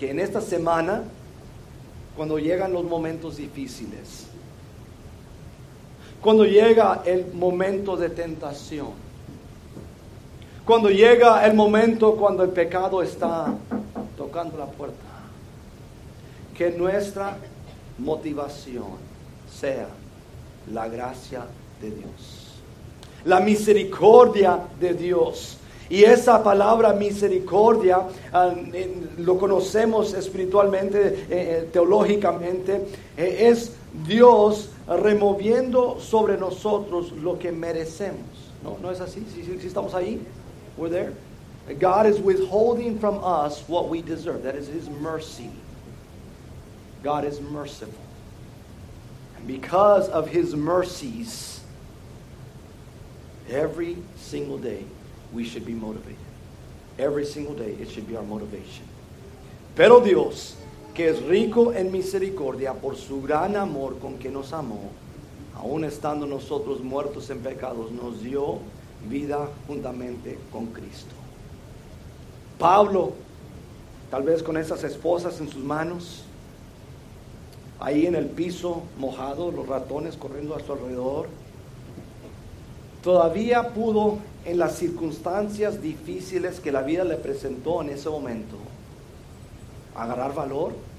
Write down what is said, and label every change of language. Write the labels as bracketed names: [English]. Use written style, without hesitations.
[Spanish] Que en esta semana, cuando llegan los momentos difíciles, cuando llega el momento de tentación, cuando llega el momento cuando el pecado está tocando la puerta, que nuestra motivación sea la gracia de Dios, la misericordia de Dios. Y esa palabra misericordia, lo conocemos espiritualmente, teológicamente, es Dios removiendo sobre nosotros lo que merecemos. ¿No, no es así? ¿Sí, sí, sí estamos ahí? [English] We're there. God is withholding from us what we deserve. That is His mercy. God is merciful. And because of His mercies, every single day we should be motivated. Every single day it should be our motivation. [Spanish] Pero Dios, que es rico en misericordia por su gran amor con que nos amó, aun estando nosotros muertos en pecados, nos dio vida juntamente con Cristo. Pablo, tal vez con esas esposas en sus manos, ahí en el piso mojado, los ratones corriendo a su alrededor, todavía pudo, en las circunstancias difíciles que la vida le presentó en ese momento, agarrar valor,